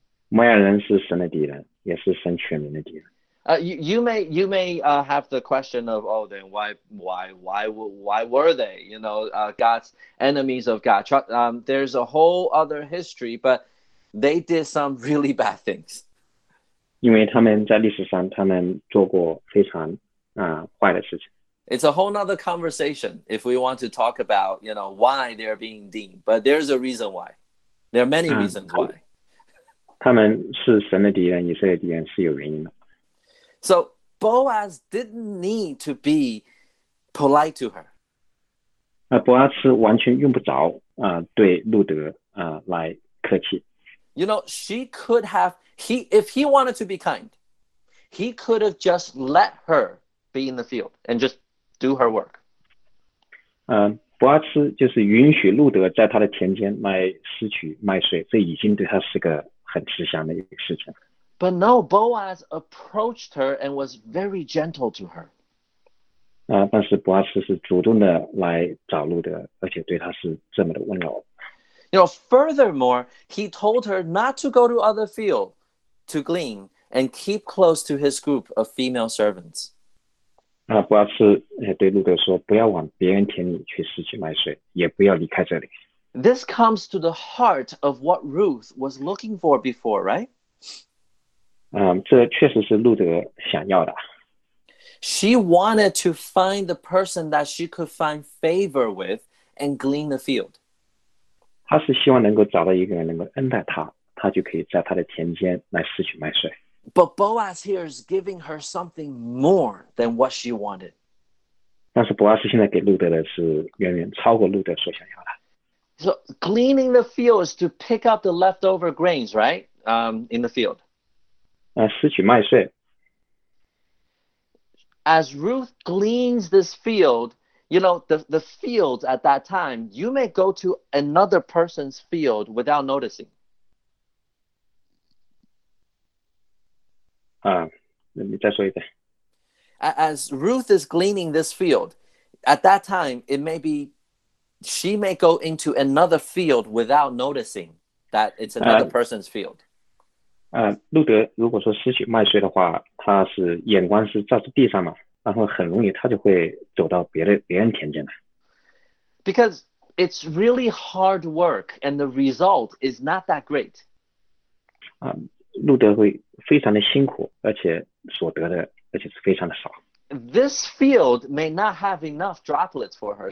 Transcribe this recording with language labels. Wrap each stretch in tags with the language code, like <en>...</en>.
<zh>摩亚人是神的敌人，也是神全民的敌人。</zh> <en>You may have the question of, oh, then why were they, you know, God's enemies of God? There's a whole other history, but they did some really bad things.</en> <zh>因为他们在历史上，他们做过非常坏的事情。</zh> <en>It's a whole nother conversation if we want to talk about, you know, why they're being deemed. But there's a reason why. There are many reasons why.</en> <zh>他们是神的敌人，以色列敌人是有原因的。</zh> <en>So Boaz didn't need to be polite to her.</en> <zh>伯阿斯完全用不着对路德来客气。</zh> <en>You know, she could have, if he wanted to be kind, he could have just let her be in the field and just do her work.</en> <zh>伯阿斯就是允许路德在他的田间卖丝曲卖水，这已经对他是个很慈祥的一个事情。</zh> <en>But no, Boaz approached her and was very gentle to her.</en> <zh>但是伯阿斯是主动的来找路德，而且对他是这么的温柔。</zh> <en>You know, furthermore, he told her not to go to other field to glean and keep close to his group of female servants.</en> <zh>伯阿斯对路德说，不要往别人田里去拾取麦穗，也不要离开这里。</zh> <en>This comes to the heart of what Ruth was looking for before, right?</en> <zh>这确实是路德想要的。</zh> <en>She wanted to find the person that she could find favor with and glean the field.</en> <zh>她是希望能够找到一个人能够恩待她，她就可以在她的田间来拾取麦穗。</zh> <en>But Boaz here is giving her something more than what she wanted.</en> <zh>但是伯阿斯现在给路德的是远远超过路德所想要的。</zh> <en>So gleaning the field is to pick up the leftover grains, right? In the field.</en> <zh>拾取麦穗。</zh> <en>As Ruth gleans this field, you know, the fields at that time, you may go to another person's field without noticing. Let me</en> <zh>再说一遍。</zh> <en>As Ruth is gleaning this field, at that time, it may be, she may go into another field without noticing that it's another person's field.</en> <zh>路德如果说拾取麦穗的话，他是眼光是照着地上嘛，然后很容易他就会走到别人田间来。</zh> <en>Because it's really hard work and the result is not that great.</en> <zh>路德会非常的辛苦，而且所得的而且是非常的少。</zh> <en>this field may not have enough droplets for her.</en>